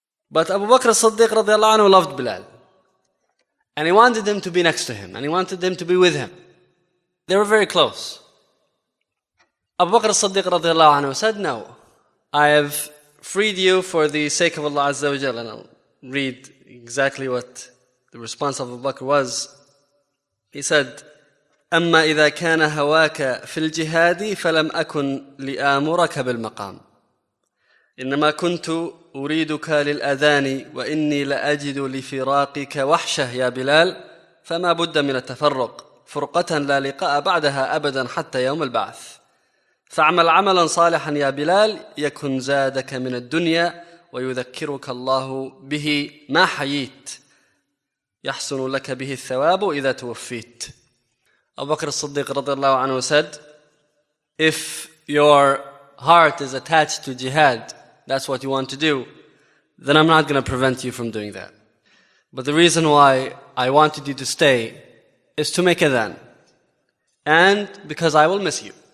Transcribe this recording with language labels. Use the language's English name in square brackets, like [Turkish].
[English] But Abu Bakr as-Siddiq radiallahu anhu loved Bilal. And he wanted him to be next to him, and he wanted him to be with him. They were very close. Abu Bakr as-Siddiq radiallahu anhu said, no, I have freed you for the sake of Allah Azza wa Jal. And I'll read exactly what the response of Abu Bakr was. He said, [Arabic] أما إذا كان هواك في الجهاد فلم أكن لآمرك بالمقام إنما كنت أريدك للأذان وإني لأجد لفراقك وحشة يا بلال فما بد من التفرق فرقة لا لقاء بعدها أبدا حتى يوم البعث فاعمل عملا صالحا يا بلال يكن زادك من الدنيا ويذكرك الله به ما حييت يحسن لك به الثواب إذا توفيت. [English] Abu Bakr as-Siddiq radiallahu anhu said, if your heart is attached to jihad, that's what you want to do, then I'm not going to prevent you from doing that. But the reason why I wanted you to stay is to make adhan, and because I will miss you.